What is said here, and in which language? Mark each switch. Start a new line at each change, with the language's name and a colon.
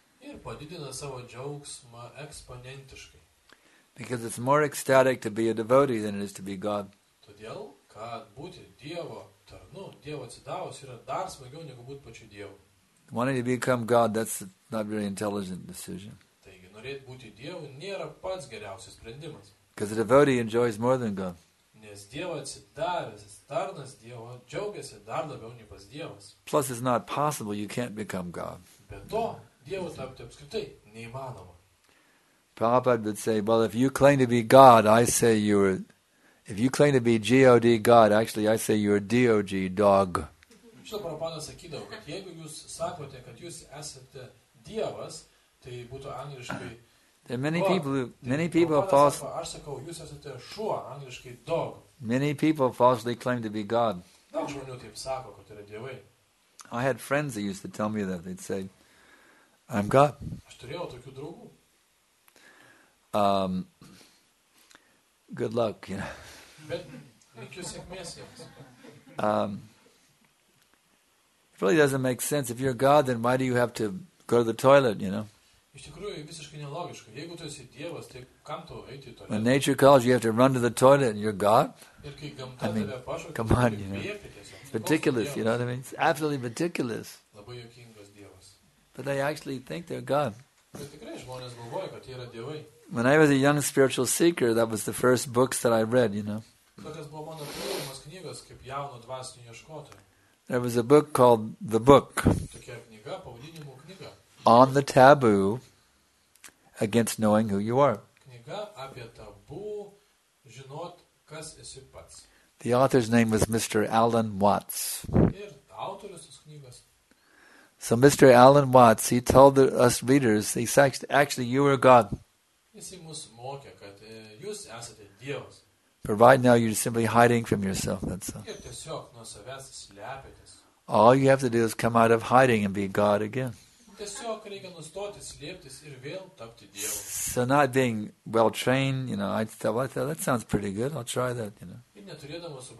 Lithuanian: Ir padidina savo džiaugsmą eksponentiškai.
English: Because it's more ecstatic to be a devotee than it is to be God.
Lithuanian: Todėl, kad būti Dievo tarnu, Dievo atsidavus, yra dar smagiau negu būti pačiu Dievu.
English: Wanting to become God, that's not a very intelligent decision.
Lithuanian: Taigi, norėti būti Dievu nėra pats geriausias sprendimas.
English: Because a devotee enjoys more than God.
Lithuanian: Nes Dievo atsidavęs, tarnas Dievo džiaugiasi dar labiau nei pas Dievas.
English: Plus, it's not possible, you can't become God.
Lithuanian: Be to, Dievo tapti apskritai neįmanoma.
English: Prabhupada would say, well, if you claim to be God, I say you're, if you claim to be G-O-D God, actually I say you're D-O-G dog.
Lithuanian: Šito Prabhupada sakydavo, kad jeigu jūs sakote, kad jūs esate Dievas, tai būtų angliškai.
English: There are many people who, many people falsely,
Lithuanian: aš sakau, jūs esate šuo, angliškai dog.
English: Many people falsely claim to be God.
Lithuanian: Daug žmonių taip sako, kad yra dievai.
English: I had friends that used to tell me that. They'd say, I'm God.
Lithuanian: Aš turėjau tokių draugų.
English: Good luck, you know.
Lithuanian: Bet linkiu sėkmės jiems.
English: It really doesn't make sense. If you're God, then why do you have to go to the toilet, you know?
Lithuanian: Iš tikrųjų, visiškai nelogiška. Jeigu tu esi Dievas, tai kam tau eiti į toilet?
English: When nature calls, you have to run to the toilet and you're God?
Lithuanian: Ir kai gamta tave pašaukia,
English: come on, you know. Ridiculous, you know what I mean? It's absolutely ridiculous.
Lithuanian: Labai juokingas Dievas.
English: But they actually think they're God.
Lithuanian: Bet tikrai žmonės galvoja, kad jie yra dievai.
English: When I was a young spiritual seeker, that was the first books that I read, you know.
Lithuanian: Tokios buvo mano pirmos knygos, kaip jauno dvasinio ieškotojo.
English: There was a book called The Book.
Lithuanian: Tokia knyga, pavadinimu knyga.
English: On the taboo against knowing who you are.
Lithuanian: Knyga apie tabu, žinot, kas esi pats.
English: The author's name was Mr. Alan Watts.
Lithuanian: Ir autorius tos knygos.
English: So Mr. Alan Watts, he told us readers, he said, actually, you are God.
Lithuanian: Jis mus mokė, kad jūs esate Dievas.
English: But right now you're simply hiding from yourself, that's all.
Lithuanian: Ir tiesiog nuo savęs slepiatės.
English: All you have to do is come out of hiding and be God again. So not being well trained, you know, I'd say, well, that sounds pretty good, I'll try that, you know.